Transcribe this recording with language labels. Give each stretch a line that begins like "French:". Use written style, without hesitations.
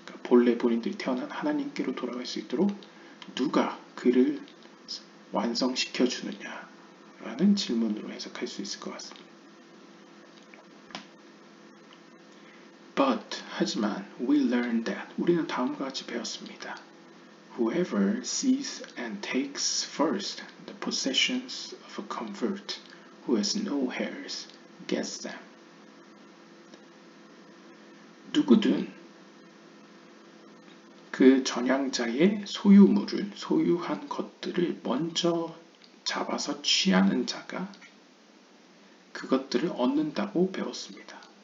Korean: 본래 본인들이 태어난 하나님께로 돌아갈 수 있도록 누가 그를 완성시켜 주느냐라는 질문으로 해석할 수 있을 것 같습니다.
English: But,
Korean: 하지만,
English: we learn that.
Korean: 우리는 다음과 같이 배웠습니다.
English: Whoever sees and takes first the possessions of a convert who has no heirs gets them.
Korean: 누구든 그 전향자의 소유물을, 소유한 것들을 먼저 잡아서 취하는 자가 그것들을 얻는다고 배웠습니다.